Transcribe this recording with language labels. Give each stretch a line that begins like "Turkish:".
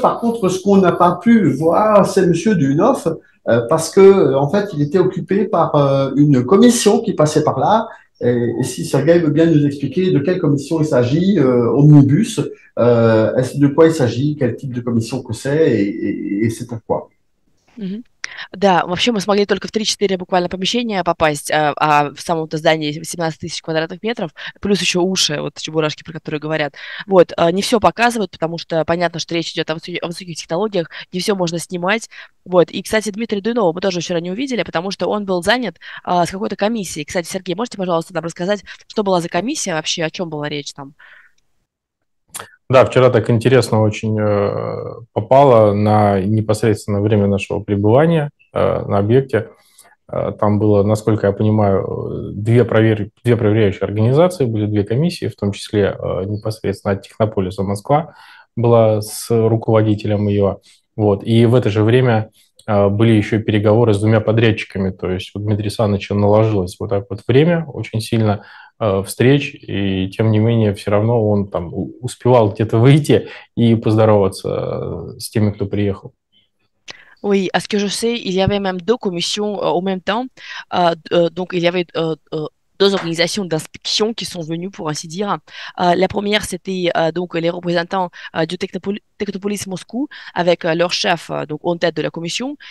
French: Par contre, ce qu'on n'a pas pu voir, c'est Monsieur Duhnoff, parce que en fait, il était occupé par une commission qui passait par là. Et si Sergueï veut bien nous expliquer de quelle commission il s'agit, omnibus, est-ce de quoi il s'agit, quel type de commission que c'est, et c'est pourquoi.
Russian: Да, вообще мы смогли только в 3-4 буквально помещения попасть, в самом-то здании 17 тысяч квадратных метров, плюс еще уши, вот чебурашки, про которые говорят. Вот, не все показывают, потому что понятно, что речь идет о высоких технологиях, не все можно снимать. Вот, и, кстати, Дмитрия Дуйнова мы тоже вчера не увидели, потому что он был занят, с какой-то комиссией. Кстати, Сергей, можете, пожалуйста, нам рассказать, что была за комиссия вообще, о чем была речь там? Да, вчера так интересно очень попало на непосредственно время нашего пребывания на объекте. Там было, насколько я понимаю, две проверяющие организации, были две комиссии, в том числе непосредственно от Технополиса Москва была с руководителем ее. Вот. И в это же время были еще и переговоры с двумя подрядчиками, то есть у Дмитрия Александровича наложилось вот так вот время очень сильно встреч, и тем не менее все равно он там успевал где-то выйти и поздороваться с теми, кто приехал.
French: Oui, à ce que je sais, il y avait même deux commissions au même temps. Donc, il y avait deux organisations d'inspection qui sont venues, pour ainsi dire. La première, c'était donc les représentants du Technopolis Moscou avec leur chef, donc en tête de la commission.